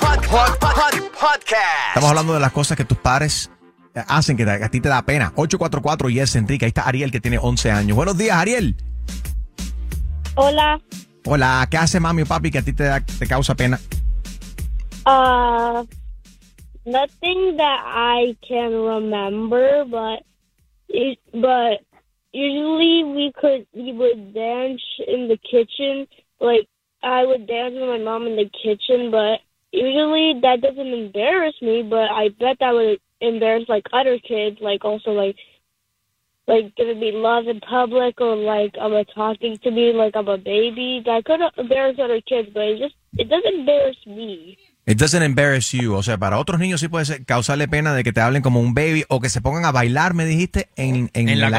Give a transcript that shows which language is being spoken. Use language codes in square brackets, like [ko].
[en] Hot podcast. [es] Estamos hablando de las cosas que tus padres hacen que a ti te da pena. 844 Yes, Enrique. Ahí está Ariel, que tiene 11 años. Buenos días, Ariel. Hola. Hola, ¿qué hace mami o papi que a ti te causa pena? [en] Nothing that I can remember, but usually we would dance in the kitchen. Like, I would dance with my mom in the kitchen, but usually that doesn't embarrass me, but I bet that would embarrass, like, other kids, like, also, like gonna be love in public, or like I'm talking to me like I'm a baby. That could embarrass other kids, but it doesn't embarrass me. It doesn't embarrass you. [es] O sea, para otros niños sí puede ser causarle pena de que te hablen como un baby o que se pongan a bailar, me dijiste, en la